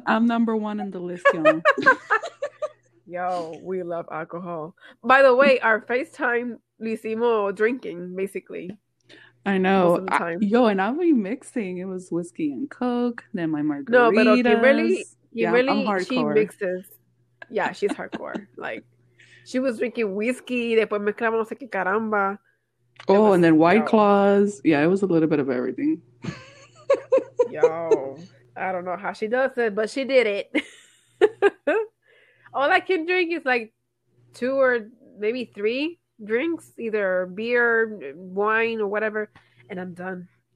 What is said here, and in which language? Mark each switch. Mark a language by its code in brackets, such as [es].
[en] I'm number one in the list, y'all. Yo, we love alcohol. By the way, our FaceTime, [es] lo hicimos [en] drinking, basically. I know. And I'll be mixing. It was whiskey and Coke, then my margaritas. No, but okay, really, she mixes. Yeah, she's hardcore. Like, she was drinking whiskey, [es] después mezclamos, no sé qué caramba. [en] Oh, and then White Claws. Yeah, it was a little bit of everything. Yo, I don't know how she does it, but she did it. All I can drink is like two or maybe three drinks, either beer, wine, or whatever, and I'm done.